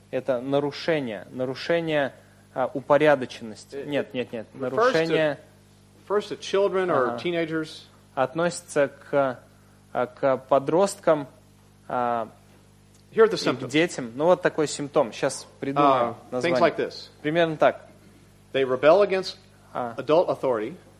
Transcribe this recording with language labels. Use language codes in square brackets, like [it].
[ru] Это нарушение. Нарушение упорядоченности. Нет. Нарушение... [en] First to children or teenagers. [ru] Относится к подросткам [en] Here are the symptoms. [ru] И к детям. Ну, вот такой симптом. Сейчас придумаем название. [en] Things like this. [ru] Примерно так. [en] They rebel against adult authority.